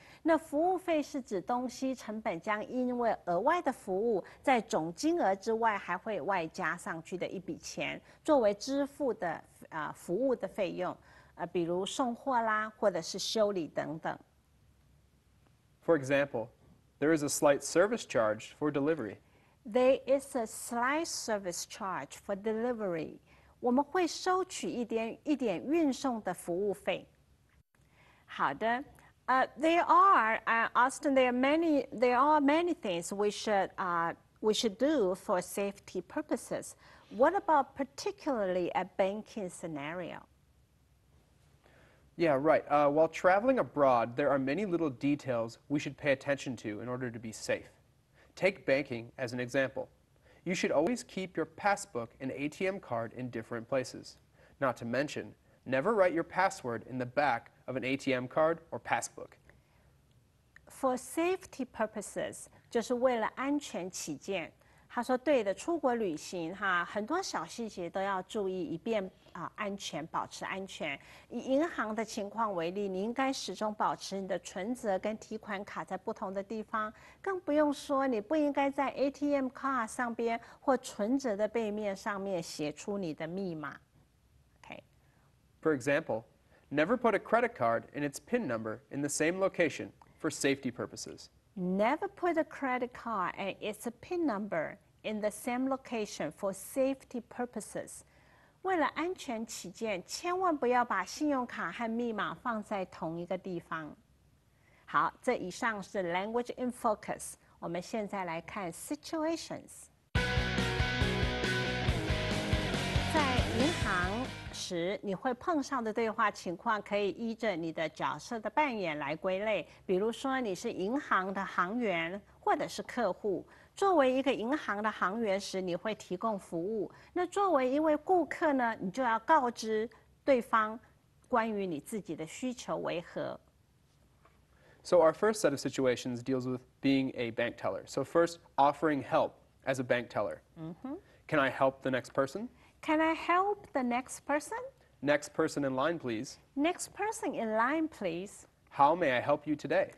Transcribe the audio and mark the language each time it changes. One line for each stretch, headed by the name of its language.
Chinese: 那服务费是指东西成本将因为额外的服务在总金额之外还会外加上去的一笔钱作为支付的服务的费用比如送货啦或者是修理等等
English: For example, there is a slight service charge for delivery. There is a slight service charge for delivery.
Chinese: 我们会收取一点运送的服务费好的。
English: Austin, there are many things we should do for safety purposes. What about particularly a banking scenario? Yeah, right. While traveling abroad, there are many little details we should pay attention to in order to be safe. Take banking as an example. You should always keep your passbook and ATM card in different places. Not to mention, never write your password in the back of an ATM card or passbook. For safety purposes,
Chinese: 就是为了安全起见。他说对的，出国旅行哈，很多小细节都要注意，以便安全，保持安全。以银行的情况为例，你应该始终保持你的存折跟提款卡在不同的地方，更不用说你不应该在 ATM card 上边或存折的背面上面写出你的密码。
English: Okay. For example, never put a credit card and its PIN number in the same location for safety purposes. Never put a credit card and its PIN number in the same location for safety purposes.
Chinese: 为了安全起见，千万不要把信用卡和密码放在同一个地方。好，这以上是 Language in Focus。我们现在来看 situations。在银行时，你会碰上的对话情况可以依着你的角色的扮演来归类。比如说，你是银行的行员或者是客户。作为一个银行的行员时，你会提供服务。那作为一位顾客呢，你就要告知对方关于你自己的需求为何。
English: So our first set of situations deals with being a bank teller. So first, offering help as a bank teller. Can I help the next person? Can I help the next person? Next person in line, please. Next person in line, please. How may I help you today?